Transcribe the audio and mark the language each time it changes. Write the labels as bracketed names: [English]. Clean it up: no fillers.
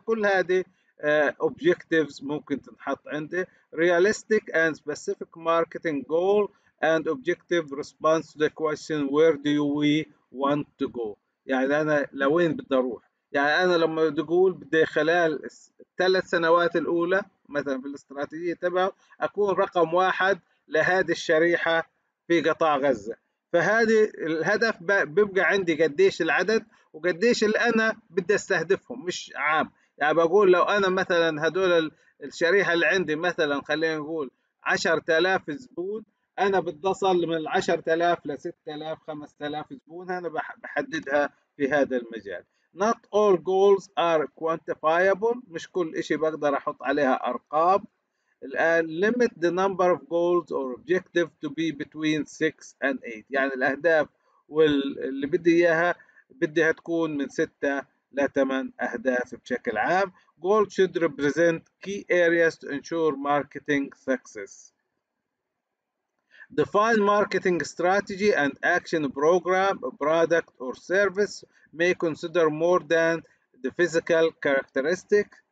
[Arabic] كل هذه objectives ممكن تنحط عندي. [English] realistic and specific marketing goal and objective response to the question where do we want to go. [Arabic] يعني انا لوين بدي اروح. يعني انا لما بدي اقول بدي خلال ثلاث سنوات الاولى مثلا في الاستراتيجية تبعه اكون رقم واحد لهذه الشريحة في قطاع غزة، فهذه الهدف بيبقى عندي قديش العدد وقديش اللي انا بدي استهدفهم مش عام. يعني بقول لو انا مثلا هدول الشريحة اللي عندي مثلا خلينا نقول 10,000 زبون، انا بدي اصل من 10,000 ل 6,000 5,000 زبون، انا بحددها في هذا المجال. [English] Not all goals are quantifiable. [Arabic] مش كل إشي بقدر أحط عليها أرقام. الآن [English] limit the number of goals or objective to be between 6 and 8. [Arabic] يعني الأهداف واللي بدي إياها بديها تكون من 6 ل 8 أهداف بشكل عام. [English] Goals should represent key areas to ensure marketing success. Define marketing strategy and action program, a product or service may consider more than the physical characteristic.